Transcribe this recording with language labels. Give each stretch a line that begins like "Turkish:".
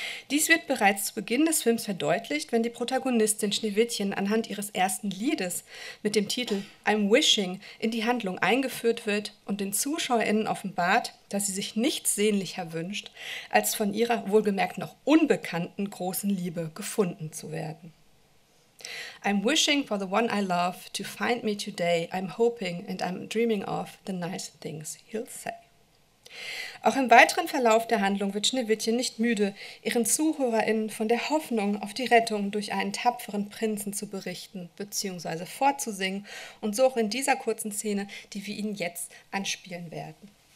German: Dies wird bereits zu Beginn des Films verdeutlicht, wenn die Protagonistin Schneewittchen anhand ihres ersten Liedes mit dem Titel »I'm Wishing« in die Handlung eingeführt wird und den ZuschauerInnen offenbart, dass sie sich nichts sehnlicher wünscht, als von ihrer wohlgemerkt noch unbekannten großen Liebe gefunden zu werden.
English: »I'm wishing for the one I love to find me today. I'm hoping and I'm dreaming of the nice things he'll say.«
German: Auch im weiteren Verlauf der Handlung wird Schneewittchen nicht müde, ihren ZuhörerInnen von der Hoffnung auf die Rettung durch einen tapferen Prinzen zu berichten bzw. vorzusingen und so auch in dieser kurzen Szene, die wir Ihnen jetzt anspielen werden.